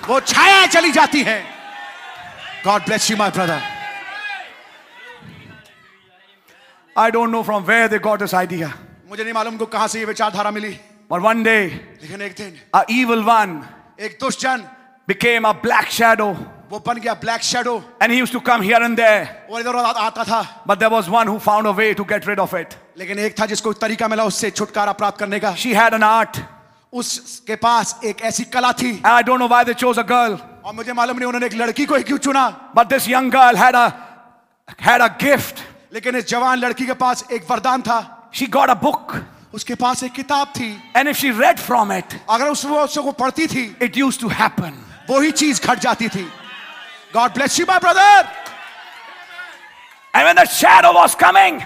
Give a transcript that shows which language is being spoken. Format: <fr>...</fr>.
<hi>वो छाया चली जाती है</hi> <en>God bless you my brother I don't know from where they got this idea</en> <hi>मुझे नहीं मालूम को कहां से ये विचारधारा मिली</hi> <en>But one day,</en> <hi>लेकिन एक दिन,</hi> <en>a evil one,</en> <hi>एक दुष्ट जन,</hi> <en>became a black shadow.</en> <hi>वो बन गया black shadow.</hi> <en>And he used to come here and there.</en> <hi>वो इधर उधर आता था.</hi> <en>But there was one who found a way to get rid of it.</en> <hi>लेकिन एक था जिसको तरीका मिला उससे छुटकारा प्राप्त करने का.</hi> <en>She had an art.</en> <hi>उसके पास एक ऐसी कला थी.</hi> <en>I don't know why they chose a girl.</en> <hi>और मुझे मालूम नहीं उन्होंने एक लड़की को ही क्यों चुना.</hi> <en>But this young girl had a gift.</en> <hi>लेकिन इस जवान लड़की के पास एक वरदान था.</hi> <en>She got a book.</en> <hi>उसके पास एक किताब थी</hi> <en>and if she read from it</en> <hi>अगर उससे वो पढ़ती थी</hi> <en>it used to happen</en> <hi>वही चीज घट जाती थी</hi> <en>God bless you my brother and when the shadow was coming</en>